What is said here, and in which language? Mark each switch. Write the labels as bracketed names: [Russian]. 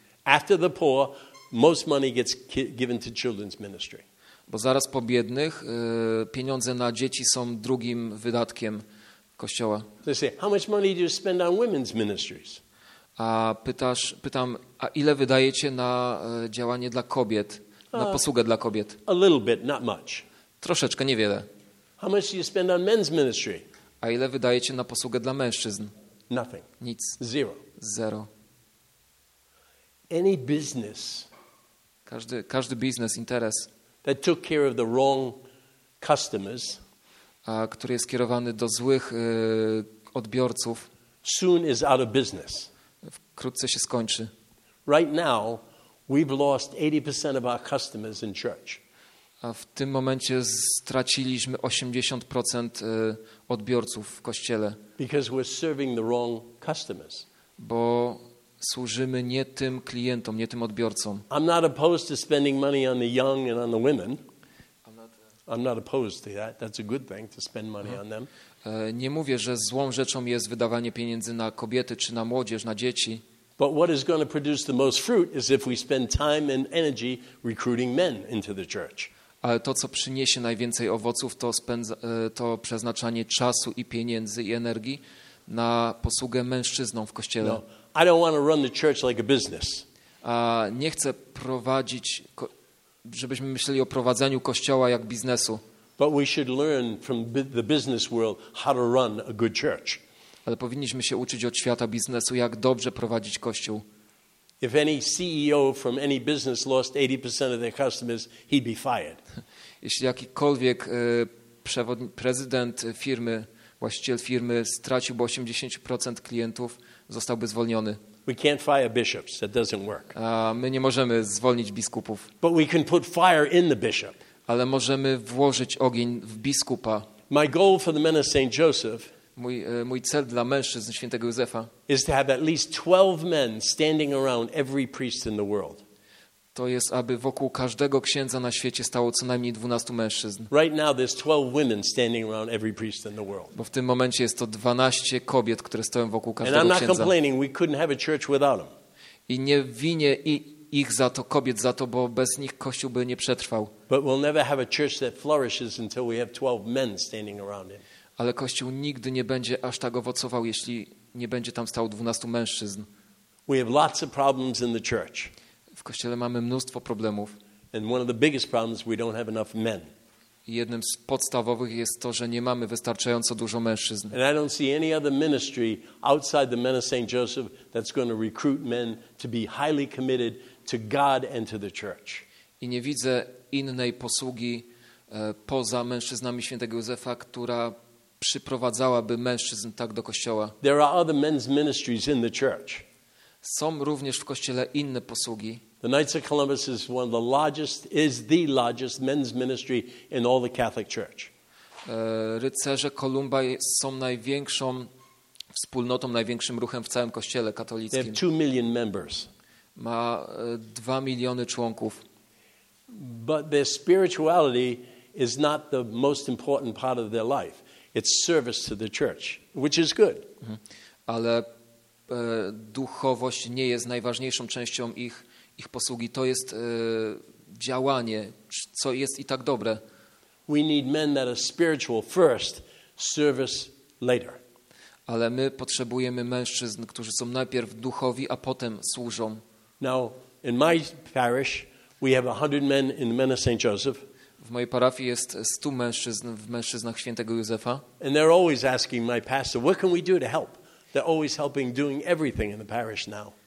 [English] After the poor, most money gets given to children's ministry. [Polish] Bo zaraz po biednych pieniądze na dzieci są drugim wydatkiem kościoła. [English] They say, how much money do you spend on women's ministries? [Polish] A pytam, a ile wydajecie na działanie dla kobiet, na posługę dla kobiet? [English] A little bit, not much. [Polish] Troszeczkę, niewiele. [English] How much do you spend on men's ministry? [Polish] A ile wydajecie na posługę dla mężczyzn? [English] Nothing. [Polish] Nic. [English] Zero. [Polish] Zero. [English] Any business. [Polish] Każdy biznes, interes. [English] That took care of the wrong customers. [Polish] A który jest kierowany do złych odbiorców. [English] Soon is out of business. [Polish] Wkrótce się skończy. [English] Right now we've lost 80% of our customers in church. [Polish] A w tym momencie straciliśmy 80% odbiorców w kościele. [English] Because we're serving the wrong customers. [Polish] Bo służymy nie tym klientom, nie tym odbiorcom. [English] I'm not opposed to spending money on the young and on the women. I'm not opposed to that. That's a good thing to spend money on them. [Polish] Nie mówię, że złą rzeczą jest wydawanie pieniędzy na kobiety czy na młodzież, na dzieci. [English] But what is going to produce the most fruit is if we spend time and energy recruiting men into the church. [Polish] Ale to, co przyniesie najwięcej owoców, to przeznaczanie czasu i pieniędzy i energii na posługę mężczyznom w kościele. [English] No, I don't want to run the church like a business. [Polish] A nie chcę prowadzić żebyśmy myśleli o prowadzeniu kościoła jak biznesu. [English] But we should learn from the business world how to run a good church. [Polish] Ale powinniśmy się uczyć od świata biznesu, jak dobrze prowadzić kościół. [English] If any CEO from any business lost 80% of their customers, he'd be fired. [Polish] Jeśli jakikolwiek prezydent firmy, właściciel firmy straciłby 80% klientów, zostałby zwolniony. [English] We can't fire bishops. That doesn't work. [Polish] A my nie możemy zwolnić biskupów. [English] But we can put fire in the bishop. [Polish] Ale możemy włożyć ogień w biskupa. [English] My goal for the men of St. Joseph. [Polish] Mój cel dla mężczyzn Świętego Józefa. [English] Is to have at least 12 men standing around every priest in the world. [Polish] To jest, aby wokół każdego księdza na świecie stało co najmniej 12 mężczyzn. [English] Right now there's 12 women standing around every priest in the world. [Polish] Bo w tym momencie jest to 12 kobiet, które stoją wokół każdego księdza. [English] And I'm not complaining, we couldn't have a church without them. [Polish] I nie winię ich za to, kobiet za to, bo bez nich kościół by nie przetrwał. [English] But we'll never have a church that flourishes until we have 12 men standing around it. [Polish] Ale kościół nigdy nie będzie aż tak owocował, jeśli nie będzie tam stało 12 mężczyzn. [English] We have lots of problems in the church. [Polish] W kościele mamy mnóstwo problemów. [English] And one of the biggest problems, we don't have enough men. [Polish] Jednym z podstawowych jest to, że nie mamy wystarczająco dużo mężczyzn. [English] And I don't see any other ministry outside the men of St. Joseph that's going to recruit men to be highly committed to God and to the church. [Polish] I nie widzę innej posługi poza mężczyznami Świętego Józefa, która przyprowadzałaby mężczyzn tak do kościoła. [English] There are other men's ministries in the church. [Polish] Są również w kościele inne posługi. [English] The Knights of Columbus is one of the largest, is the largest men's ministry in all the Catholic Church. [Polish] Rycerze Kolumba są największą wspólnotą, największym ruchem w całym kościele katolickim. [English] They have 2 million members. [Polish] Ma 2 miliony członków. [English] But their spirituality is not the most important part of their life. It's service to the church, which is good. [Polish] Ale duchowość nie jest najważniejszą częścią ich posługi. To jest działanie, co jest i tak dobre. [English] We need men that are spiritual first, service later. [Polish] Ale my potrzebujemy mężczyzn, którzy są najpierw duchowi, a potem służą. [English] Now, in my parish, we have 100 men in the men of St. Joseph. [Polish] W mojej parafii jest 100 mężczyzn w mężczyznach Świętego Józefa. [English] And they're always asking my pastor, what can we do to help? They're always helping, doing everything in the parish now.